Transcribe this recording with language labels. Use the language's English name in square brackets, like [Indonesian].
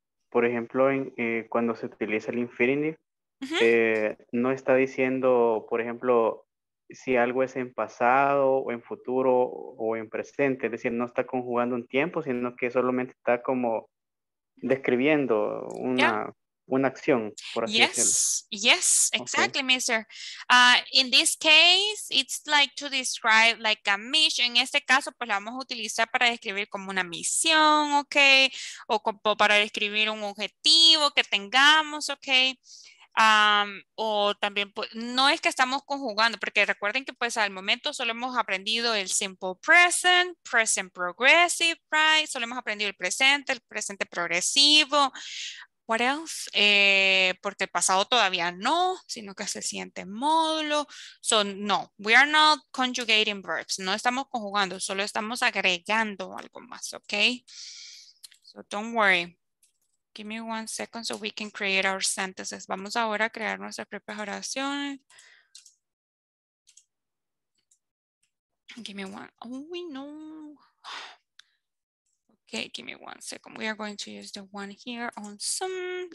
[Spanish] Por ejemplo, cuando se utiliza el infinitive, no está diciendo, por ejemplo, si algo es en pasado o en futuro o en presente. Es decir, no está conjugando un tiempo, sino que solamente está como describiendo una, una acción, por así [English] yes. [Spanish] decirlo. [English] Yes, exactly, okay. Mister. In this case, it's like to describe like a mission. [Spanish] En este caso, pues la vamos a utilizar para describir como una misión, ok. O como para describir un objetivo que tengamos, ok. O también, pues, no es que estamos conjugando, porque recuerden que pues al momento solo hemos aprendido el simple present, present progressive, [English] right? [Spanish] Solo hemos aprendido el presente progresivo. [English] What else? [Spanish] Porque el pasado todavía no, sino que es el siguiente módulo. [English] So, no, we are not conjugating verbs. [Spanish] No estamos conjugando, solo estamos agregando algo más, [English] ok? So, don't worry. Give me one second so we can create our sentences. [Spanish] Vamos ahora a crear nuestras propias oraciones. [English] Give me one. Oh, we know. Okay, give me one second. We are going to use the one here on Zoom.